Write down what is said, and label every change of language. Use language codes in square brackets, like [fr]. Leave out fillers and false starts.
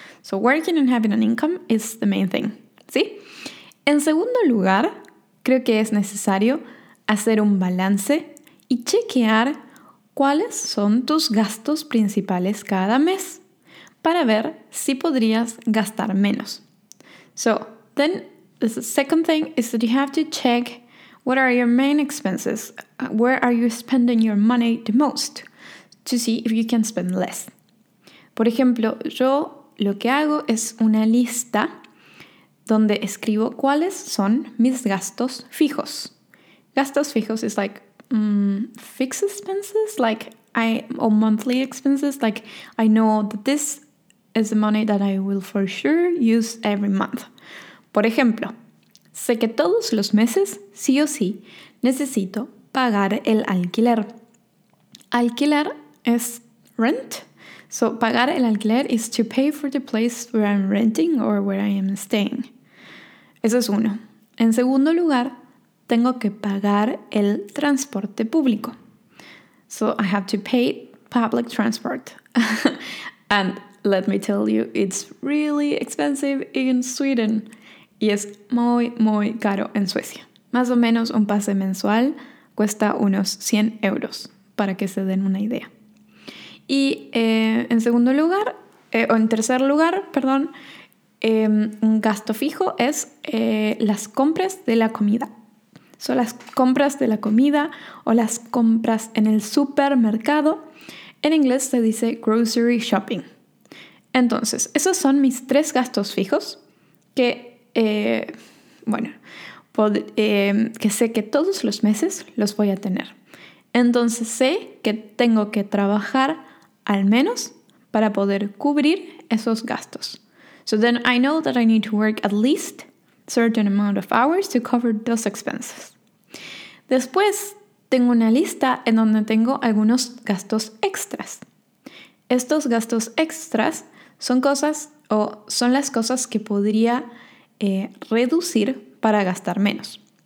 [en] So, working and having an income is the main thing. [es] ¿Sí? En segundo lugar, creo que es necesario hacer un balance y chequear cuáles son tus gastos principales cada mes para ver si podrías gastar menos. [en] So, then the second thing is that you have to check what are your main expenses? Where are you spending your money the most? To see if you can spend less. [es] Por ejemplo, yo lo que hago es una lista donde escribo cuáles son mis gastos fijos. Gastos fijos [en] is like fixed expenses, like or monthly expenses. Like I know that this is the money that I will for sure use every month. [es] Por ejemplo, sé que todos los meses sí o sí necesito pagar el alquiler. Alquiler es rent. [en] So [es] pagar el alquiler [en] is to pay for the place where I'm renting or where I am staying. [es] Eso es uno. En segundo lugar, tengo que pagar el transporte público. [en] So I have to pay public transport. And let me tell you, it's really expensive in Sweden. [es] Y es muy, muy caro en Suecia. Más o menos un pase mensual cuesta unos 100 euros, para que se den una idea. Y en tercer lugar, un gasto fijo es las compras de la comida. Son las compras de la comida o las compras en el supermercado. En inglés se dice [en] grocery shopping. [es] Entonces, esos son mis tres gastos fijos que, que sé que todos los meses los voy a tener. Entonces, sé que tengo que trabajar al menos para poder cubrir esos gastos. [en] So then I know that I need to work at least a certain amount of hours to cover those expenses. [es] Después, tengo una lista en donde tengo algunos gastos extras. Estos gastos extras son las cosas que podría reducir para gastar menos.